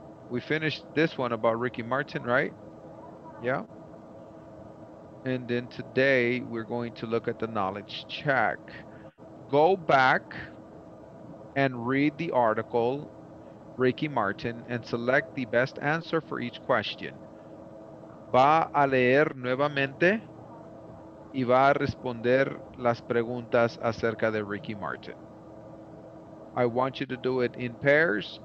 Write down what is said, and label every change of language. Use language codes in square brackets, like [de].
[en] We finished this one about Ricky Martin, right? Yeah. And then today we're going to look at the knowledge check. Go back and read the article, Ricky Martin, and select the best answer for each question. [es] Va a leer nuevamente y va a responder las preguntas acerca de Ricky Martin. [en] I want you to do it in pairs.